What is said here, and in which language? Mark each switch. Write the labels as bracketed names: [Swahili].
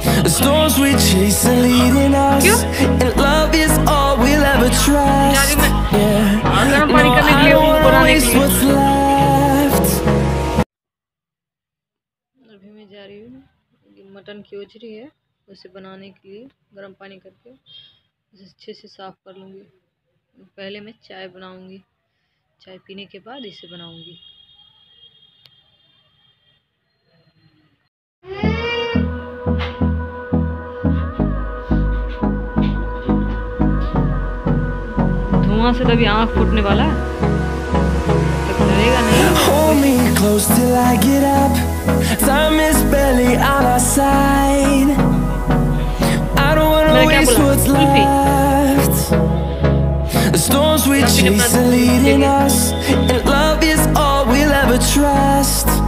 [English] Storms we chase are leading us, and love is all we'll ever trust. Yeah, no, I don't want to waste what's left. [Hindi] अभी मैं जा रही हूँ mutton की ओजरी है उसे बनाने के लिए, गर्म पानी करके उसे अच्छे से साफ कर लूँगी। पहले मैं चाय बनाऊँगी, चाय पीने के बाद इसे बनाऊँगी। वहां से तभी आंख फूटने वाला है, तो करेगा नहीं। [English] Hold me close till I get up, time is barely on our side. I don't wanna waste what's left. The storms we chase are leading us, and love is all we'll ever trust.